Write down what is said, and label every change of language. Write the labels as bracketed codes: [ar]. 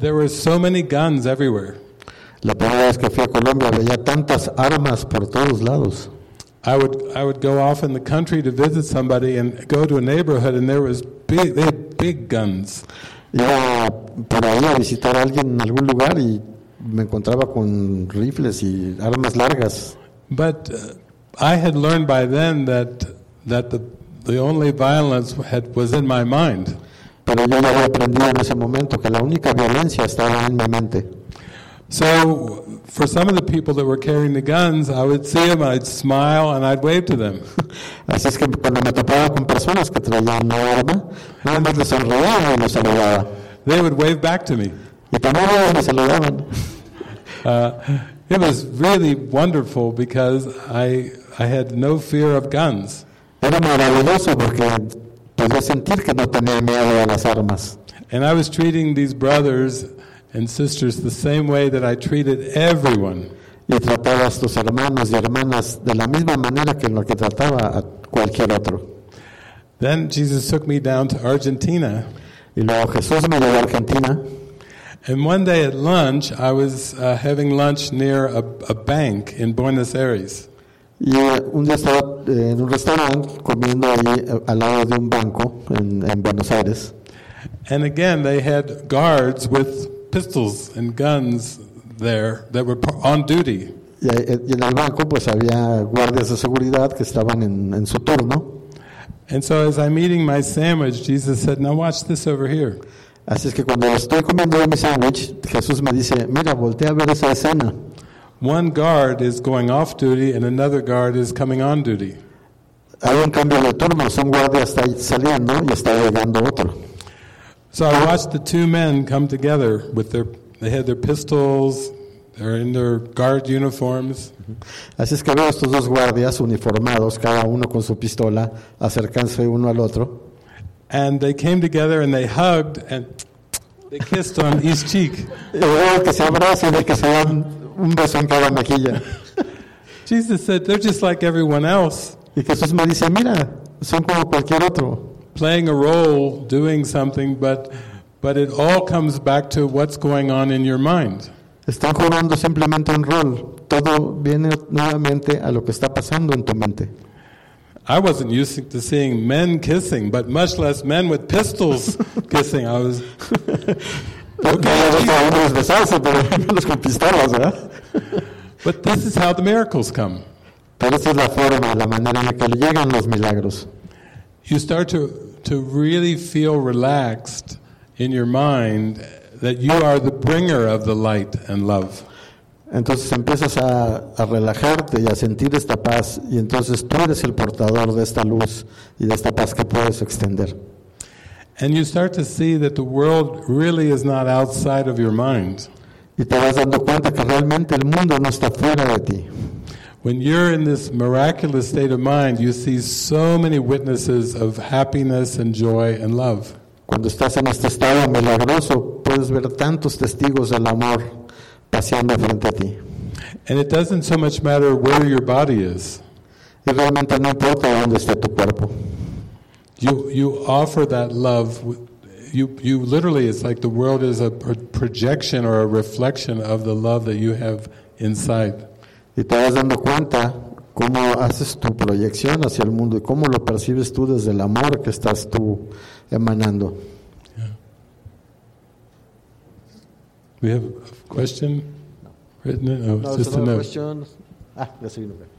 [en] There were so many guns everywhere. [es] La primera vez que fui a Colombia veía tantas armas por todos lados. [en] I would go off in the country to visit somebody and go to a neighborhood and there was big guns. [es] Iba por ahí a visitar a alguien en algún lugar y me encontraba con rifles y armas largas. [en] But I had learned by then that the only violence was in my mind. [es] Pero yo ya había aprendido en ese momento que la única violencia estaba en mi mente. [en] So, for some of the people that were carrying the guns, I would see them, I'd smile, and I'd wave to them. [es] Así es que cuando me topaba con personas que traían una arma, nada más les sonreía y les saludaba. [en] They would wave back to me. [es] Y también me saludaban. [en] It was really wonderful because I had no fear of guns. [es] Era maravilloso porque podía sentir que no tenía miedo a las armas. [en] And I was treating these brothers and sisters the same way that I treated everyone. [es] Y trataba a estos hermanos y hermanas de la misma manera que en la que trataba a cualquier otro. [en] Then Jesus took me down to Argentina. [es] Y luego Jesús me llevó a Argentina. [en] And one day at lunch, I was having lunch near a bank in Buenos Aires. [es] Y un día estaba en un restaurante comiendo ahí al lado de un banco en Buenos Aires. [en] And again, they had guards with pistols and guns there that were on duty. [es] Y en el banco pues había guardias de seguridad que estaban en su turno. [en] And so as I'm eating my sandwich, Jesus said, "Now watch this over here." [es] Así es que cuando estoy comiendo mi sándwich, Jesús me dice, "Mira, voltea a ver esa escena." [en] One guard is going off duty and another guard is coming on duty. [es] Hay un cambio de turno, un guardia está saliendo y está llegando otro. [en] So I watched the two men come together with they had their pistols, they're in their guard uniforms. [es] Así es que veo estos dos guardias uniformados, cada uno con su pistola, acercándose uno al otro. [en] And they came together and they hugged and they kissed on each cheek. Jesus said, they're just like everyone else. [es] Y Jesús me dice, mira, son como cualquier otro. [en] Playing a role, doing something, but it all comes back to what's going on in your mind. [es] Están jugando simplemente un rol. Todo viene nuevamente a lo que está pasando en tu mente. [en] I wasn't used to seeing men kissing, but much less men with pistols kissing. I was. [es] Okay, hombres besarse, pero menos con pistolas, ¿verdad? [en] But this is how the miracles come. [es] Pero esa es la forma, la manera en que le llegan los milagros. [en] You start to really feel relaxed in your mind that you are the bringer of the light and love. [es] Entonces empiezas a relajarte y a sentir esta paz, y entonces tú eres el portador de esta luz y de esta paz que puedes extender. [en] And you start to see that the world really is not outside of your mind. [es] Y te vas dando cuenta que realmente el mundo no está fuera de ti. [en] When you're in this miraculous state of mind, you see so many witnesses of happiness and joy and love. [es] Cuando estás en este estado milagroso, puedes ver tantos testigos del amor paseando frente a ti. [en] And it doesn't so much matter where your body is. [es] Y realmente no importa dónde esté tu cuerpo. [en] You offer that love. You literally, it's like the world is a projection or a reflection of the love that you have inside. [es] Y te vas dando cuenta cómo haces tu proyección hacia el mundo y cómo lo percibes tú desde el amor que estás tú emanando. [en] Yeah. We have a question written in, oh, no, just a note. [es] Question. Ya soy uno.